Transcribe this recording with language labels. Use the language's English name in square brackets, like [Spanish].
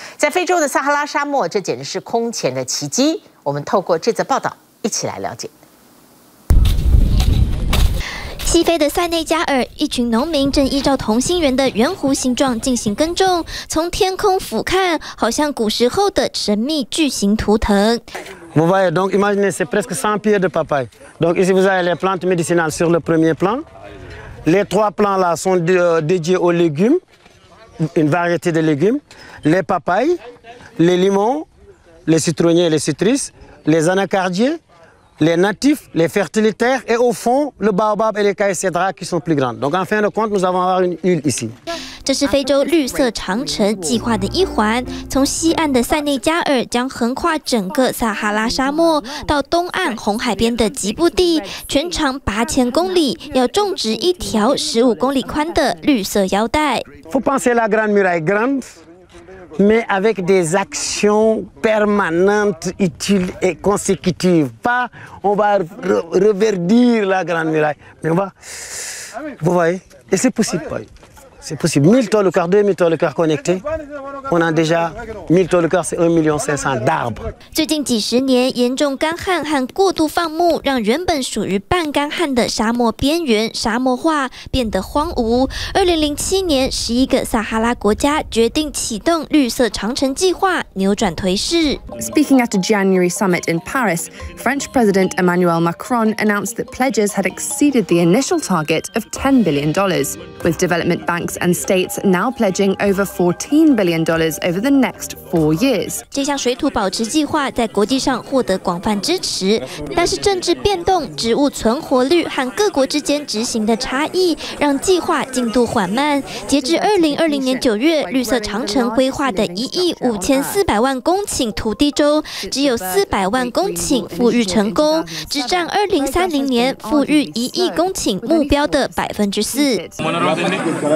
[Chinese] 在非洲的撒哈拉沙漠，这简直是空前的奇迹。我们透过这则报道，一起来了解。西非的塞内加尔，一群农民正依照同心圆的圆弧形状进行耕种，从天空俯瞰，好像古时候的神秘巨型图腾。 [French] Vous voyez, donc imaginez, c'est presque 100 pieds de papaye. Donc ici, vous avez les plantes médicinales sur le premier plan. Les trois plans là sont dédiés aux légumes, une variété de légumes, les papayes, les limons, les citronniers et les citrus, les anacardiers. Les natifs, les fertilitaires et au fond, le baobab et les caïcédras qui sont plus grands. Donc, en fin de compte, nous allons avoir une île ici. [Chinese] 这是非洲绿色长城计划的一环，从西岸的塞内加尔将横跨整个撒哈拉沙漠，到东岸红海边的吉布地，全长8000公里，要种植一条15公里宽的绿色腰带。 [French] Faut penser la grande muraille grande, mais avec des actions permanentes, utiles et consécutives. Pas on va reverdir la grande muraille, mais on va, vous voyez, et c'est possible, pas. C'est possible. 1000 tôles le quart, 2000 tôles le quart connectés. On a déjà 1000 tôles le quart, c'est 1,5 million d'arbres. [Chinese] 最近几十年，严重干旱和过度放牧，让原本属于半干旱的沙漠边缘沙漠化，变得荒芜。 2007年，11个撒哈拉国家决定启动绿色长城计划，扭转颓势。 [English] Speaking at a January summit in Paris, French President Emmanuel Macron announced that pledges had exceeded the initial target of $10 billion, with development bank. And states now pledging over $14 billion over the next 4 years. [Chinese] 这项水土保持计划在国际上获得广泛支持，但是政治变动、植物存活率和各国之间执行的差异，让计划进度缓慢。截至2020年9月，绿色长城规划的1.54亿公顷土地中，只有400万公顷富裕成功，只占2030年富裕1亿公顷目标的4%。